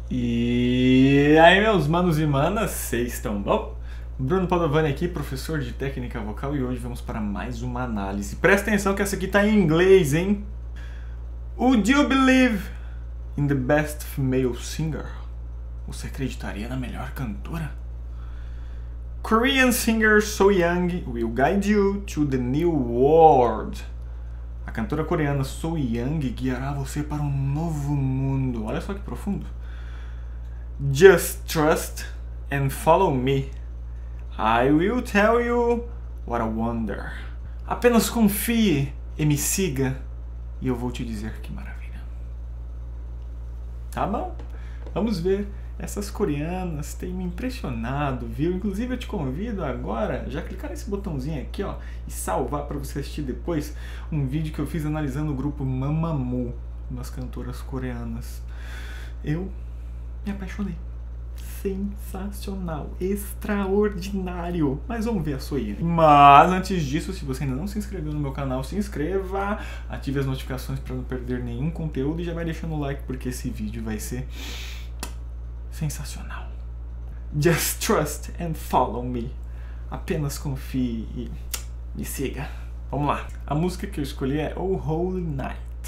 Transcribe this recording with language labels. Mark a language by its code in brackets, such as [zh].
[pt] E aí, meus manos e manas, vocês estão bom? Bruno Padovani aqui, professor de técnica vocal, e hoje vamos para mais uma análise. Presta atenção que essa aqui tá em inglês, hein? [en] Would you believe in the best female singer? [pt] Você acreditaria na melhor cantora? [en] Korean singer So Young will guide you to the new world. [pt] A cantora coreana So Young guiará você para um novo mundo. Olha só que profundo. [en] Just trust and follow me. I will tell you what a wonder. [pt] Apenas confie e me siga e eu vou te dizer que maravilha. Tá bom? Vamos ver. Essas coreanas têm me impressionado, viu? Inclusive, eu te convido agora já clicar nesse botãozinho aqui, ó, e salvar para você assistir depois um vídeo que eu fiz analisando o grupo Mamamoo, umas cantoras coreanas. Eu me apaixonei. Sensacional, extraordinário. Mas vamos ver a sua ira. Mas antes disso, se você ainda não se inscreveu no meu canal, se inscreva, ative as notificações para não perder nenhum conteúdo e já vai deixando o like porque esse vídeo vai ser sensacional. [en] Just trust and follow me. [pt] Apenas confie e me siga. Vamos lá. A música que eu escolhi é Oh Holy Night.